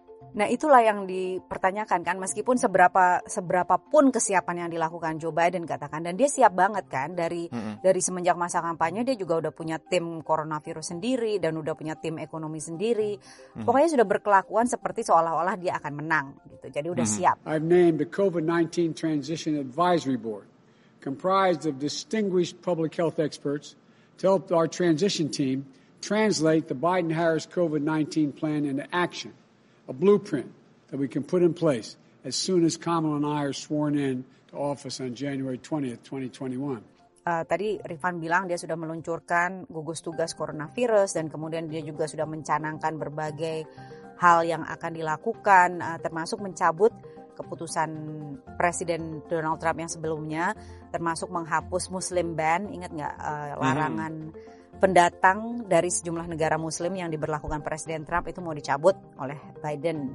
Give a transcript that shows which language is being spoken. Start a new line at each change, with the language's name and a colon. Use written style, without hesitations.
Indonesian: Nah, itulah yang dipertanyakan kan, meskipun seberapapun kesiapan yang dilakukan Joe Biden, katakan, dan dia siap banget kan dari semenjak masa kampanye, dia juga udah punya tim coronavirus sendiri dan udah punya tim ekonomi sendiri. Pokoknya sudah berkelakuan seperti seolah-olah dia akan menang gitu. Jadi udah siap.
English: I've named the COVID-19 Transition Advisory Board, comprised of distinguished public health experts, to help our transition team translate the Biden-Harris COVID-19 plan into action. A blueprint that we can put in place as soon as Kamala and I are sworn in to office on January 20th, 2021.
Indonesian: Tadi Rifan bilang dia sudah meluncurkan gugus tugas coronavirus dan kemudian dia juga sudah mencanangkan berbagai hal yang akan dilakukan, termasuk mencabut keputusan Presiden Donald Trump yang sebelumnya, termasuk menghapus Muslim ban, ingat nggak, larangan pendatang dari sejumlah negara Muslim yang diberlakukan Presiden Trump itu mau dicabut oleh Biden.